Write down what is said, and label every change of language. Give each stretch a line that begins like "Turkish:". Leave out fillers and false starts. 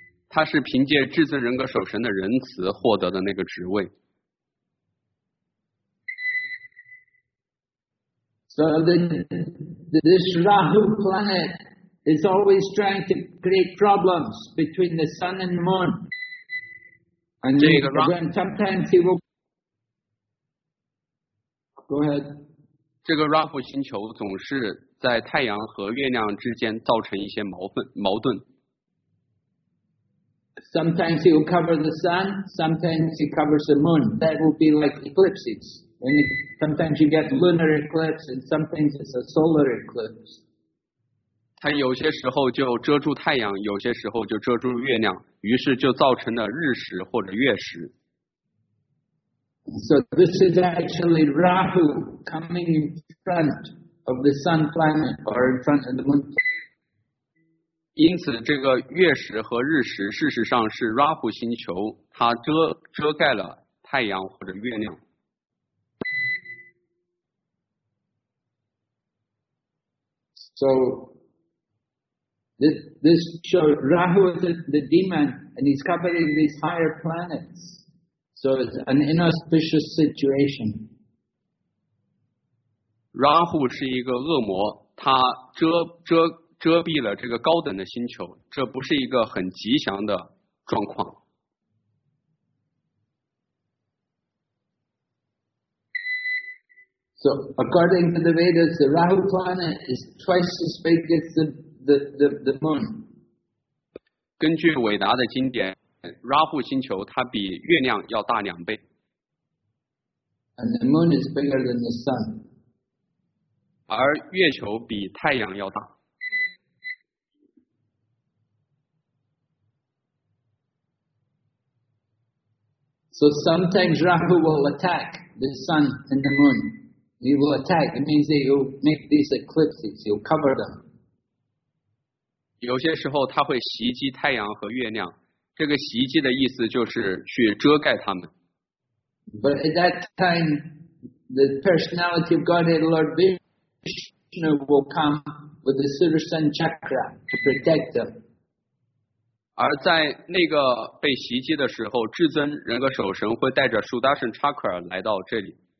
Chinese: 他是凭借至尊人格守神的仁慈获得的那个职位。
English: So this Rahu planet is always trying to create problems between the sun and the moon. And sometimes he will. Go ahead.
Chinese: 这个 Rahu 星球总是。在太阳和月亮之间造成一些矛盾。
English: Sometimes he will cover the sun, sometimes he covers the moon. That will be like eclipses. And sometimes you get lunar eclipse, and sometimes it's a solar eclipse.
Chinese: 他有些时候就遮住太阳，有些时候就遮住月亮，于是就造成了日食或者月食。
English: So this is actually Rahu coming in front. Of the sun planet or in front of the moon.
Chinese: 因此，这个月食和日食事实上是 Rahu 星球，它遮盖了太阳或者月亮。
English: So this shows Rahu is the demon, and he's covering these higher planets. So it's an inauspicious situation.
Chinese: Rahu 是一个恶魔，它遮蔽了这个高等的星球，这不是一个很吉祥的状况。
English: So according to the Vedas, the Rahu planet is twice as big as the moon.
Chinese: 根据伟达的经典，拉扈星球它比月亮要大两倍。
English: And the moon is bigger than the sun.
Chinese: 而月球比太阳要大。
English: So sometimes Rahu will attack the sun and the moon. He will attack. It means that he'll make these eclipses. He'll cover them.
Chinese: 有些时候他会袭击太阳和月亮，这个袭击的意思就是去遮盖他们。
English: But at that time, the personality of Godhead Lord Vishnu will come with the Sudarshan Chakra to protect them.
Chinese: 而在那个被袭击的时候，至尊人格守神会带着 Sudarshan Chakra 来到这里。